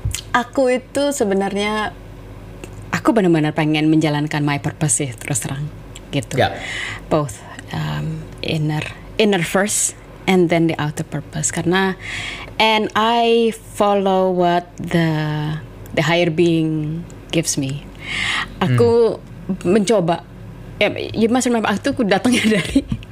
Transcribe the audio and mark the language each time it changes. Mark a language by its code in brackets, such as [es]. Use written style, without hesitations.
[id] Aku itu sebenarnya aku benar-benar pengen menjalankan [en] my purpose [id] sih, terus terang. Gitu, yeah. [en] both inner first and then the outer purpose. [id] Karena [en] and I follow what the higher being gives me. [id] Aku mencoba. [en] You must remember [id] aku datangnya dari